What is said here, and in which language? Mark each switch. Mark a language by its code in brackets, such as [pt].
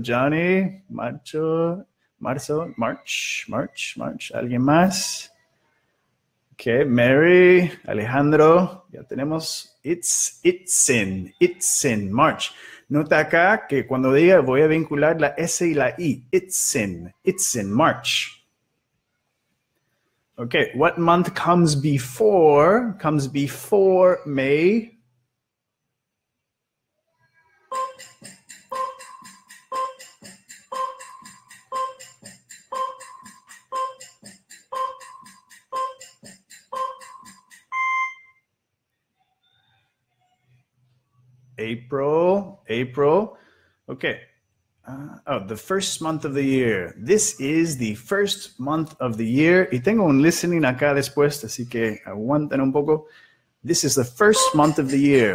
[es] Johnny. Marzo. Marzo. [en] March. March. March. [es] ¿Alguien más? [en] Okay, Mary, Alejandro, [es] ya tenemos, [en] it's in March. [es] Nota acá que cuando diga voy a vincular la S y la I, [en] it's in March. Okay, what month comes before May? April, April. Okay. Oh, the first month of the year. This is the first month of the year. [es] Y tengo un listening acá después, así que aguanten un poco. [en] This is the first month of the year.